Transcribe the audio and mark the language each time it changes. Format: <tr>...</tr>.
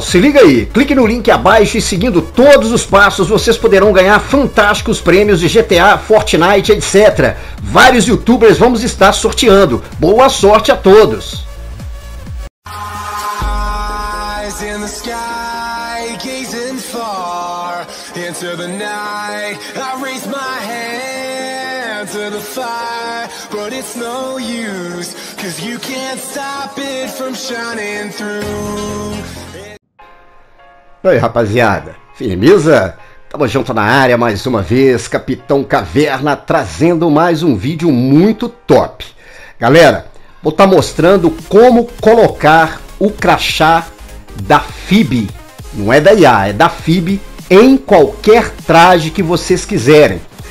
<pt>Se liga aí, clique no link abaixo e seguindo todos os passos, vocês poderão ganhar fantásticos prêmios de GTA, Fortnite, etc. Vários youtubers vamos estar sorteando. Boa sorte a todos!</pt> <en>Eyes in the sky, gazing far into the night. I raise my hand to the fire, but it's no use, 'cause you can't stop it from shining through.</en> <pt>Oi, rapaziada, firmeza? Tamo junto na área mais uma vez, Capitão Caverna, trazendo mais um vídeo muito top. Galera, vou estar mostrando como colocar o crachá da FIB, não é da IA, é da FIB, em qualquer traje que vocês quiserem.</pt>